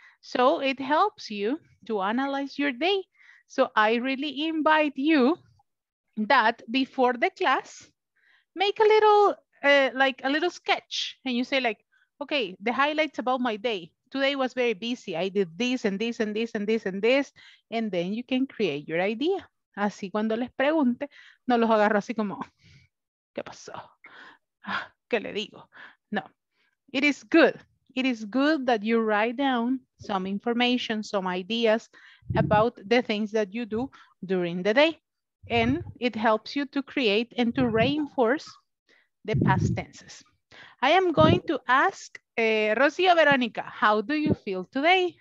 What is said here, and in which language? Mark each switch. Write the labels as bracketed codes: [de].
[en] So it helps you to analyze your day. So I really invite you that before the class, make a little sketch, and you say like, okay, the highlights about my day. Today was very busy. I did this and this and this and this and this. And then you can create your idea. [es] Así cuando les pregunte, no los agarro así como, ¿qué pasó? ¿Qué le digo? No. [en] It is good. It is good that you write down some information, some ideas about the things that you do during the day. And it helps you to create and to reinforce the past tenses. I am going to ask Rocío Verónica, how do you feel today?